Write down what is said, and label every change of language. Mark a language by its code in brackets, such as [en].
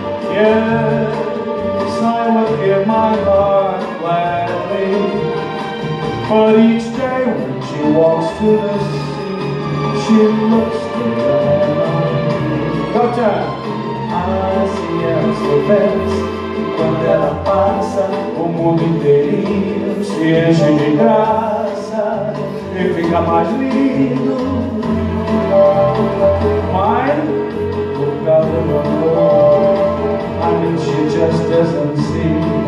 [en] Yes, I would give my heart gladly, but each day when she walks to the sea, she looks to the heaven. Your turn. I see her so fast, [pt] quando ela passa, o mundo inteirinho se enche de graça e fica mais lindo. [en] Why? [pt] Porque o amor, [en] I mean, she just doesn't seem.